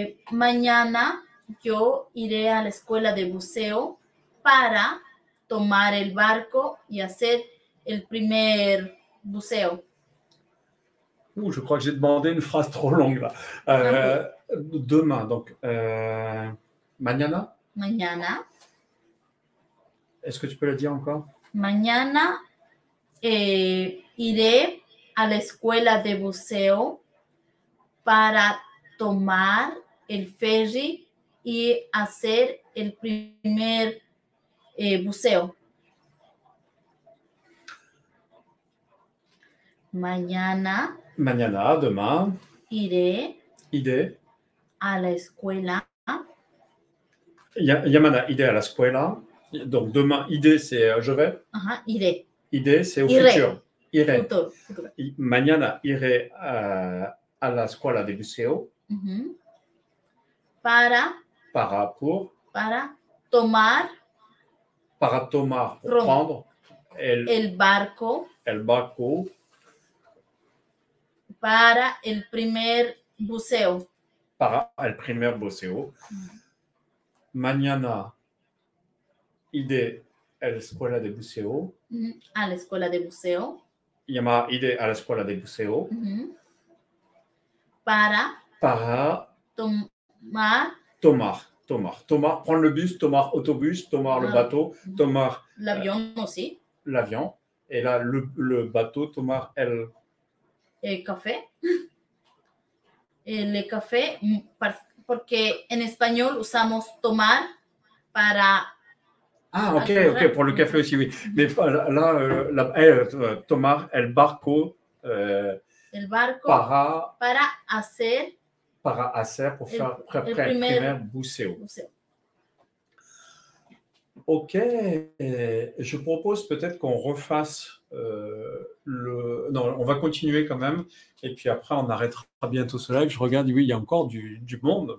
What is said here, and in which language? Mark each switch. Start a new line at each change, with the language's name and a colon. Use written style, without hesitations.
Spanish: Mañana, yo iré a la escuela de buceo para tomar el barco y hacer el primer buceo.
French: Je crois que j'ai demandé une phrase trop longue, là. Demain, donc. Mañana?
Spanish: Mañana.
French: Est-ce que tu peux le dire encore?
Spanish: Mañana. Iré a la escuela de buceo para tomar el ferry y hacer el primer buceo. Mañana. Mañana,
French: demain.
Spanish: Iré. Iré. A la escuela. Yamana, iré a la escuela.
French: Donc demain, iré, c'est je vais.
Spanish: Iré.
French: Idée, c'est au futur. Iré.
Spanish: Mañana, iré à la escuela de buceo. Para. Para pour. Para tomar. Para tomar,
French: pour prendre.
Spanish: El barco. El barco. Para el primer buceo. Para el primer buceo. Mañana, iré. À l'escuela de buceo. À l'escuela de buceo. Yama, iré à l'escuela de buceo. Para. Para. Tomar. Tomar. Tomar. Tomar.
French: Prendre le bus,
Spanish: tomar autobus,
French: tomar le bateau, tomar. L'avion aussi. L'avion. Et là, le bateau,
Spanish: tomar el. El café. El café. Porque en español usamos tomar para.
French: Ah, ok, ok, pour le café aussi, oui. Mais là,
Spanish: tomar el barco. El barco. Para. Para hacer. Para hacer,
French: pour faire
Spanish: primer buceo.
French: Ok, je propose peut-être qu'on refasse Non, on va continuer quand même, et puis après, on arrêtera bientôt ce live. Je regarde, oui, il y a encore du monde.